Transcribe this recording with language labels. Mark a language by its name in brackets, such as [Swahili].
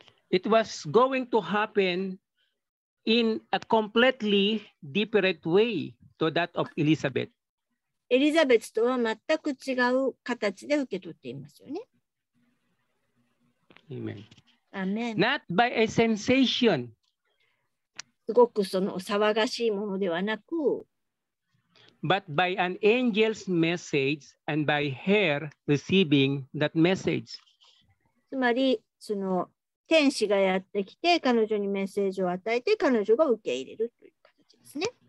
[English] It was going to happen in a completely different way to that of Elizabeth. [Japanese] エリザベスとは全く違う形で受け取っていますよね。 [English] Amen. Amen. Not by a sensation. [Japanese] すごくその騒がしいものではなく、 [English] But by an angel's message and by her receiving that message. [Japanese] つまりその天使がやってきて彼女にメッセージを与えて彼女が受け入れるという形ですね。